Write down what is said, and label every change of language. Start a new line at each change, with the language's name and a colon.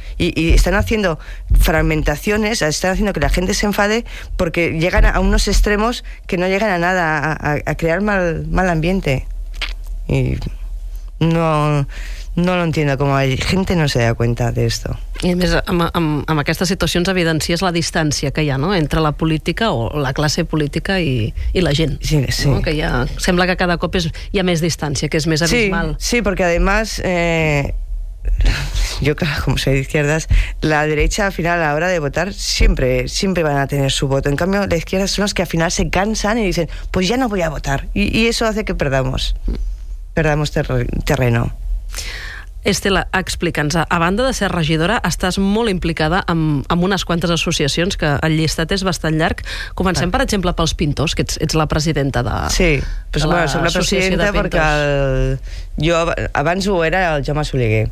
Spanish: Y están haciendo fragmentaciones, están haciendo que la gente se enfade porque llegan a unos extremos que no llegan a nada, a crear mal ambiente. Y no lo entiendo, como la gente no se da cuenta de esto.
Catalan: I a més, amb aquestes situacions evidencies la distància que hi ha, no?, entre la política o la classe política i la gent. Sí, sí. No? Que ja sembla que cada cop hi ha més distància, que és més abismal. Sí, sí, perquè
Spanish: además... Yo, claro, como soy de izquierdas, la derecha al final a la hora de votar siempre van a tener su voto. En cambio, la izquierda son los que al final se cansan y dicen, pues ya no voy a votar. Y eso hace que perdamos terreno.
Catalan: Estela, explica'ns, a banda de ser regidora, estàs molt implicada amb unes quantes associacions, que el llistat és bastant llarg. Comencem, per exemple, pels pintors, que ets la presidenta de... Sí, pues, de bueno, soc la presidenta perquè jo abans ho era el Jaume Soliguer.